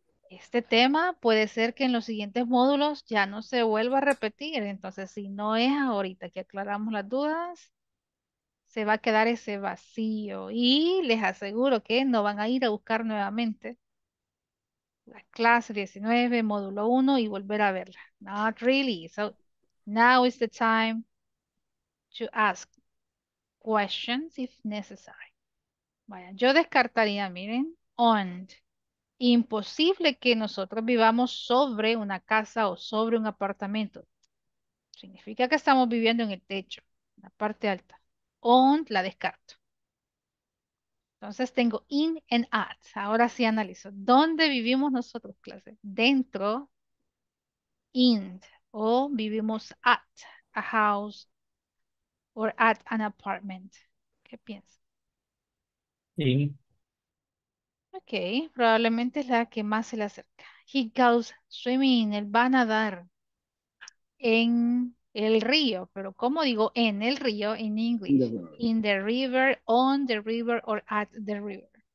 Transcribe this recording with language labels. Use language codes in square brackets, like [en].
[es] Este tema puede ser que en los siguientes módulos ya no se vuelva a repetir, entonces si no es ahorita que aclaramos las dudas, se va a quedar ese vacío y les aseguro que no van a ir a buscar nuevamente la clase 19, módulo 1 y volver a verla. [en] Not really. So now is the time to ask questions if necessary. [es] Vaya, yo descartaría, miren, and. Imposible que nosotros vivamos sobre una casa o sobre un apartamento. Significa que estamos viviendo en el techo, en la parte alta. On la descarto. Entonces tengo in and at. Ahora sí analizo. ¿Dónde vivimos nosotros, clase? Dentro, in, o vivimos [en] at a house or at an apartment. [es] ¿Qué piensas? Sí. Ok, probablemente es la que más se le acerca. [en] He goes swimming, [es] él va a nadar en el río, pero ¿cómo digo en el río en inglés? [en] In the river, on the river or at the river.